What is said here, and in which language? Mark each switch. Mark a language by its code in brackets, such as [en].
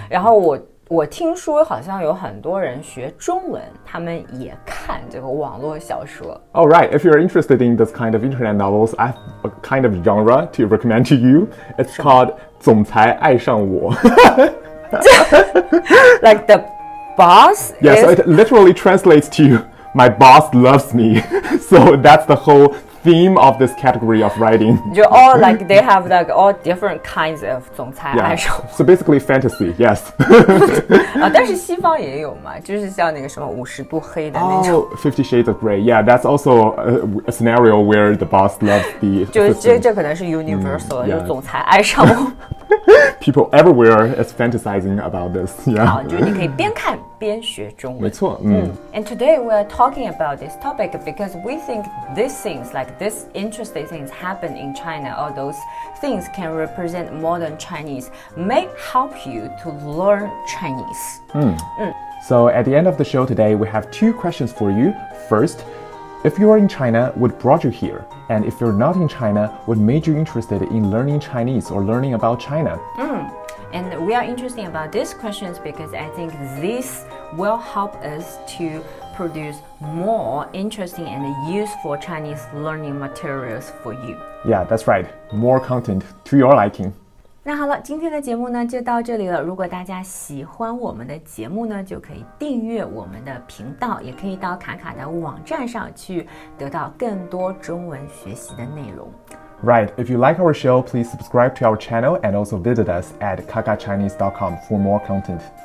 [zh] 然后我听说好像有很多人学中文他们也看这个网络小说 [en] Oh right, if you're interested in this kind of internet novels I have a kind of genre to recommend to you It's called [zh] 总裁爱上我 [en] like the boss yeah so it literally translates to my boss loves me so that's the whole theme of this category of writing you all like they have like all different kinds of [zh] 总裁爱上我 [en] yeah, so basically fantasy yes [zh] 、但是西方也有嘛就是像那个什么五十度黑的那种 [en] Fifty Shades of Grey yeah that's also a scenario where the boss loves the [zh] 就这可能是 [en] universal、mm, yeah. [zh] 就总裁爱上我 [en] People everywhere is fantasizing about this. Yeah. [zh] 就你可以边看边学中文。没错。 [en] And today we are talking about this topic because we think these things, like these interesting things happen in China, or those things can represent modern Chinese, may help you to learn Chinese. So at the end of the show today, we have two questions for you. First, if you are in China, what brought you here? And if you're not in China, what made you interested in learning Chinese or learning about China? And we are interested about these questions because I think this will help us to produce more interesting and useful Chinese learning materials for you. Yeah, that's right. More content to your liking. [zh] 那好了今天的节目呢就到这里了如果大家喜欢我们的节目呢就可以订阅我们的频道也可以到卡卡的网站上去得到更多中文学习的内容 [en] Right, if you like our show, please subscribe to our channel and also visit us at kakachinese.com for more content